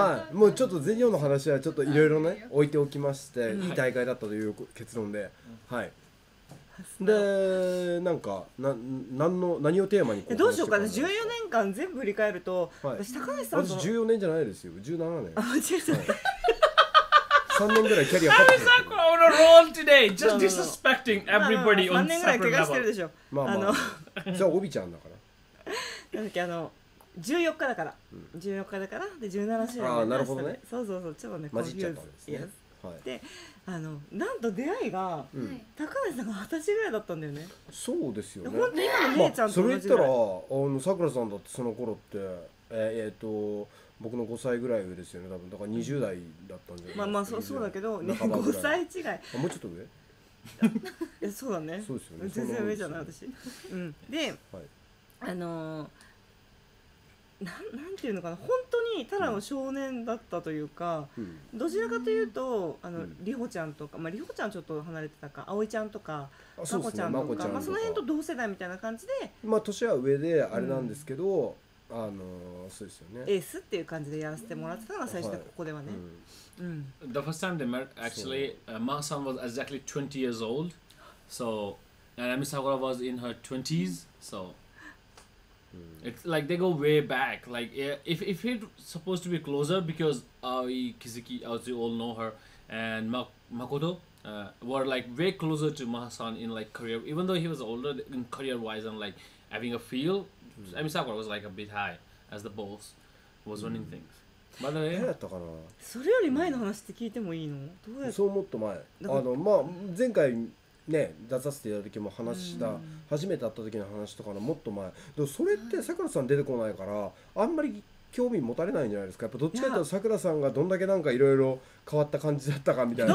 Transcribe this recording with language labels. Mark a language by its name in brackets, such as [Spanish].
[Japanese] はい、もうちょっと全日本の話はちょっといろいろね、置いておきまして、いい大会だったという結論で、はい、で、なんか、何をテーマにどうしようかな、14年間全部振り返ると、はい、私、高橋さんと私14年じゃないですよ、17年あ、間違えた、 3年ぐらいキャリア勝ってる。 [English] I'm on a roll today, just disrespecting everybody on separate level. [Japanese] 3年ぐらい怪我してるでしょ。まあまあ、それはオビちゃんだから。なんだっけ、あの、14日だから。 14日だから、で、17試合で。ああ、なるほどね。そうそうそう、ちょっとね、混じっちゃったんですね。 [English] Yes. [Japanese] はい、で、あの、なんと出会いが、はい、高橋さんが20歳ぐらいだったんだよね。そうですよね。本当に今の姉ちゃんと同じぐらい。まあ、それ言ったら、あの、さくらさんだってその頃って、僕の5歳ぐらい上ですよね、多分だから20代だったんじゃないですか。まあまあ、そうだけど、ね、5歳違い。あ、もうちょっと上いや、そうだね。そうですよね。全然上じゃない、私。うん。で、はい、なんていうのかな、本当にただの少年だったというか、うん、どちらかというと、あの、うん、リホちゃんとか、まあ、リホちゃんちょっと離れてたか、葵ちゃんとか、マコちゃんとか、まあ、その辺と同世代みたいな感じで。まあ、年は上で、あれなんですけど、うん、そうですよね、エースっていう感じでやらせてもらってたのが最初で、ここではね、はい、うんうん、 [English] The first time they met, actually, Ma-san was exactly 20 years old. So, Nanami Sakura was in her 20s. So, it's like they go way back. Like, if it's supposed to be closer, because Aoi, Kizuki, as you all know her, and Makoto, were like way closer to Ma-san in like career, even though he was older in career-wise and like having a feel,I mean, Sakura was like a bit high as the boss was running things. By the way, how was it? [Japanese] それより前の話って聞いてもいいの？どうやって？そう、もっと前。あの、まあ、前回ね、出させていただいた時も話した、うん、初めて会った時の話とかのもっと前。でもそれって桜さん出てこないから、あんまり興味持たれないんじゃないですか。やっぱどっちかというと桜さんがどんだけなんかいろいろ変わった感じだったかみたいな。